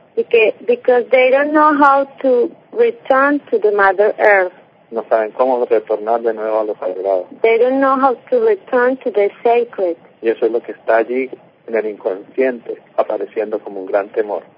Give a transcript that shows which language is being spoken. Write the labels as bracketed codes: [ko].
[en] Because they don't know how to return to the Mother Earth. [es] No saben cómo retornar de nuevo a lo sagrado. [en] They don't know how to return to the sacred. [es] Y eso es lo que está allí en el inconsciente, apareciendo como un gran temor.